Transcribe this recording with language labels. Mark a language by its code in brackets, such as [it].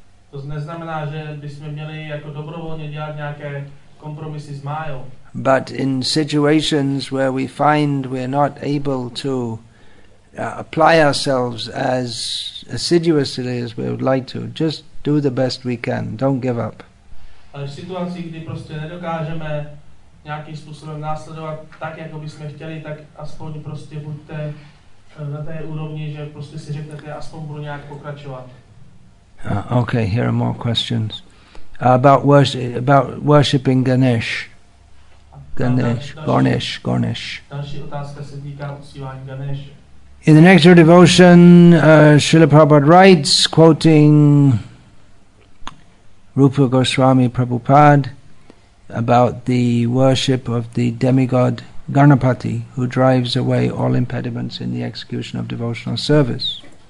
[cs] To neznamená, že bychom měli jako dobrovolně dělat nějaké kompromisy s Mayou. [en] But in situations where we find we're not able to apply ourselves as assiduously as we would like to. Just do the best we can. Don't give up. [cs] Ale v situaci, kdy prostě nedokážeme nějakým způsobem následovat tak, jako bychom chtěli, tak aspoň prostě buďte na té úrovni, že prostě si řeknete, aspoň budu nějak pokračovat. [en] Okay, here are more questions. About worshipping Ganesh. Ganesh. [cs] Další otázka se týká uctívání Ganesh. [en] In the Nectar of Devotion, Srila Prabhupada writes, quoting Rupa Goswami Prabhupada, about the worship of the demigod Ganapati, who drives away all impediments in the execution of devotional service.